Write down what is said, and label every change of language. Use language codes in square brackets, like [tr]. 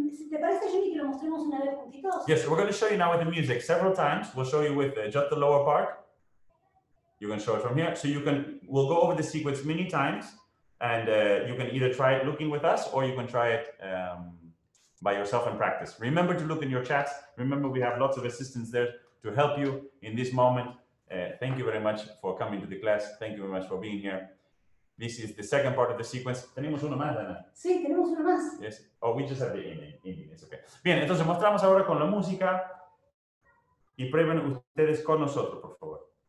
[es] ¿Te parece, Jenny, que lo mostremos una vez juntitos? [en] Yes, so we're going to show you now with the music several times. We'll show you with just the lower part. You can show it from here. So you can, we'll go over the sequence many times. And you can either try it looking with us or you can try it by yourself and practice. Remember to look in your chats. Remember, we have lots of assistants there to help you in this moment. Thank you very much for coming to the class. Thank you very much for being here. This is the second part of the sequence. [es] Tenemos uno más, Ana. Sí, tenemos uno más. [en] Yes. Oh, we just have the ending. It's okay. [es] Bien, entonces mostramos ahora con la música y prueben ustedes con nosotros, por favor.